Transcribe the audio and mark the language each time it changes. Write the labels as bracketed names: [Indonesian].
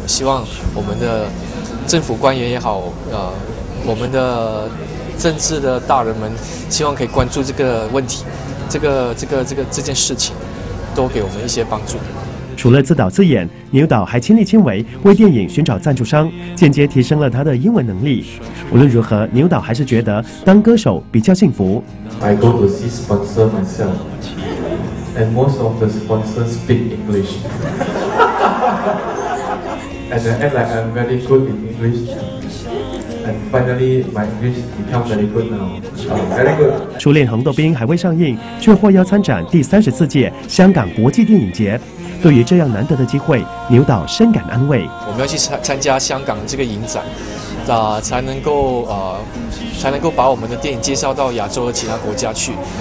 [Chinese] 我希望我们的政府官员也好，我们的政治的大人们，希望可以关注这个问题，这件事情，多给我们一些帮助。除了自导自演，牛导还亲力亲为为电影寻找赞助商，间接提升了他的英文能力。无论如何，牛导还是觉得当歌手比较幸福。 [English] I go to see sponsor myself, and most of the sponsors speak English. And I act like I'm very good in English. And finally, my English become very good now. Very good. [Chinese] 初恋红豆冰还未上映，却获邀参展第34届香港国际电影节。对于这样难得的机会，牛导深感安慰。我们要去参加香港这个影展，才能够把我们的电影介绍到亚洲的其他国家去。